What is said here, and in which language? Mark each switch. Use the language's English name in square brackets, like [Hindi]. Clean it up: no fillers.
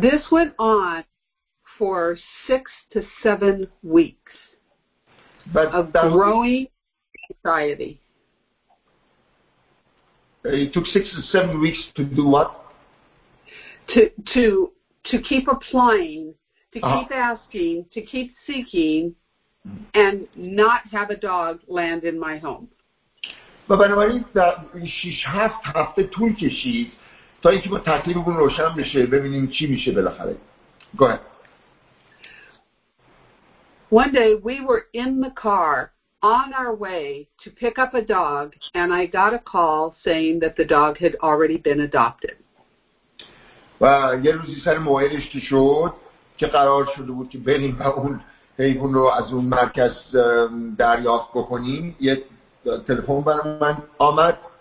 [English] This went on for 6 to 7 weeks of growing anxiety. It took 6 to 7 weeks to do what? To keep applying, to keep asking, to keep seeking, and not have a dog land in my home. [Persian] و بنابراین 6-7 هفته طول کشید تا اینکه با تکلیفمون روشن بشه، ببینیم چی میشه بالاخره. [English] Go ahead. One day we were in the car on our way to pick up a dog and I got a call saying that the dog had already been adopted. [Persian] و یه روزی سر موعدش که شد که قرار شده بود که بریم و اون حیوان رو از اون مرکز دریافت بکنیم، یه تلفن برای من آمد.